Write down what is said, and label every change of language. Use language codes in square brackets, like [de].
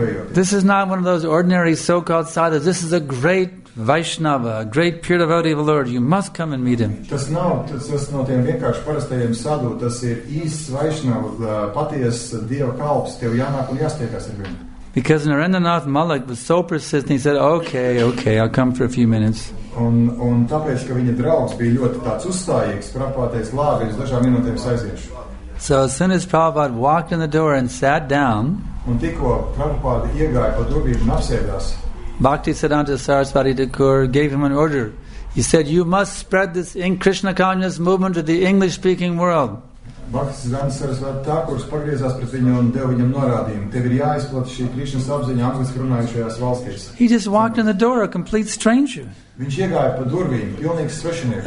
[en] this is not one of those ordinary so-called sadhus. This is a great, Vaishnava, a great pure devotee of the Lord, you must come and meet him. [lv] Tas nav, tas no tiem vienkārši parastajiem sadu, tas ir īsts Vaishnava, paties Dieva kalps, tev jānāk un jāsteikās ar viņu. [en] Because Narendranath Malik was so persistent, he said, okay, I'll come for a few minutes. [lv] Un tāpēc, ka viņa draugs bija ļoti tāds uzstājīgs, prapātējis labi, es dažām minūtēm saiziešu. [en] So as soon as Prabhupada walked in the door and sat down, [lv] un tikko Prabhupada iegāja pa durvīm un apsēdās, [en] Bhakti Siddhanta Sarasvati Thakur gave him an order. He said, you must spread this in Krishna consciousness movement to the English-speaking world. [lv] Bhakti Siddhanta Sarasvati Thakur pagriezās pret viņu un deva viņam norādījumu. Tev ir jāizplat šī Krishna apziņa angliski runājušajās valstīs. [en] He just walked in the door, a complete stranger. [lv] Viņš iegāja pa durvīm, pilnīgs svešinieks.